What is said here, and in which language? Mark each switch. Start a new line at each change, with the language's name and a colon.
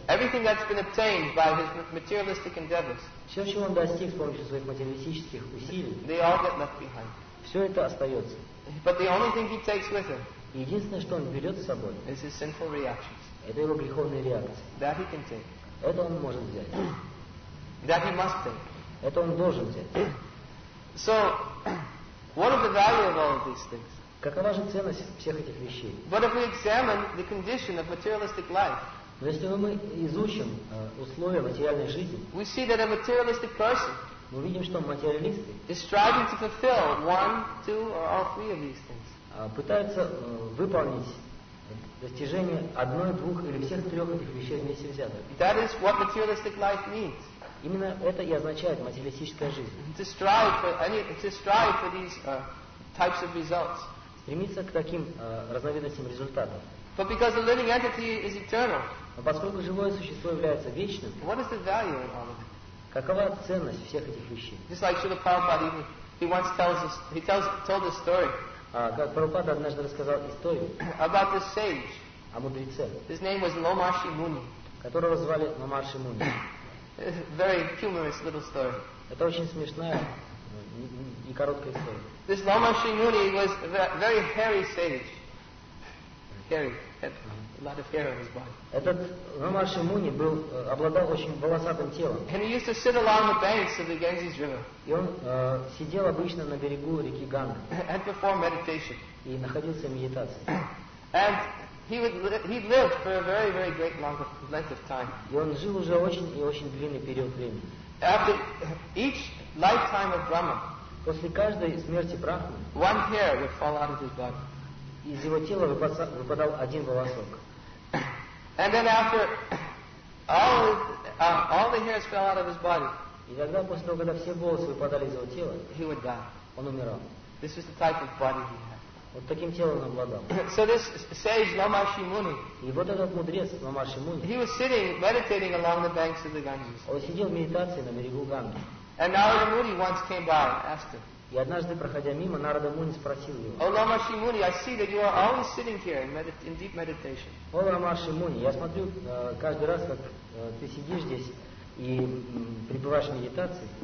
English: Everything that's been obtained by his materialistic endeavors.
Russian: Все, чего он достиг с помощью своих материалистических усилий.
English: They all get left behind.
Russian: Все это остается.
English: But the only thing he takes with him.
Russian: Единственное, что он берет с собой.
English: Is his sinful reactions.
Russian: Это его греховные реакции.
English: That he can take.
Russian: Это он может взять.
English: That he must take.
Russian: Это он должен взять.
English: So, what is the value of all of these things?
Russian: Какова же ценность всех этих вещей?
English: But if we examine the condition of materialistic life,
Russian: но если мы изучим условия материальной жизни,
English: we see that a materialistic person,
Russian: мы видим, что материалисты,
English: is striving to fulfill one, two, or all three of these things.
Russian: Пытаются выполнить Достижение одной, двух или всех трех этих вещей вместе взятых.
English: That is what materialistic life means.
Russian: Именно это и означает материалистическая жизнь.
English: To strive for any, to strive for these types of results.
Russian: Стремиться к таким разновидностям результатов.
English: But because the living entity is eternal.
Russian: Но поскольку живое существо является вечным.
English: What is the value in all of it?
Russian: Какова ценность всех этих вещей?
English: Just like Srila Prabhupada, he once tells us, he tells, told this story.
Russian: Как Прабхупада однажды рассказал историю.
English: About this sage.
Russian: О мудреце.
English: His name was Ломаши Муни.
Russian: Которого звали Ломаши Муни.
English: Very humorous little story.
Russian: Это очень смешная и короткая история.
English: This Ломаши Муни was a very hairy sage. Hairy. A lot of hair on his body.
Russian: Этот Ломаши Муни был обладал очень волосатым телом.
English: And he used to sit along the banks of the Ganges River.
Russian: И он сидел обычно на берегу реки Ганга.
English: And performed meditation.
Russian: И находился в медитации.
English: And he lived for a very, very great long length of time.
Russian: И он жил уже очень и очень длинный период времени.
English: After each lifetime of Brahma,
Russian: после каждой смерти Брахмы,
English: one hair would fall out of his body.
Russian: Из его тела выпадал один волосок.
English: And then after all the hairs fell out of his body,
Russian: и тогда, после того, когда все волосы выпадали из его тела,
English: he would die.
Russian: Он умирал.
English: This is the type of body he had.
Russian: Вот таким телом он обладал.
English: So this sage Ломаши Муни,
Russian: и вот этот мудрец Ломаши Муни,
English: he was sitting meditating along the banks of the Ganges.
Russian: Он сидел в медитации на берегу Ганги.
English: And Narada Muni once came by and asked him.
Russian: И однажды, проходя мимо, Нарада Муни спросил его.
English: О, Ламаши Муни, I see that you are always sitting here in deep meditation.
Russian: О, Ламаши Муни, я смотрю каждый раз, как ты сидишь здесь и пребываешь в медитации.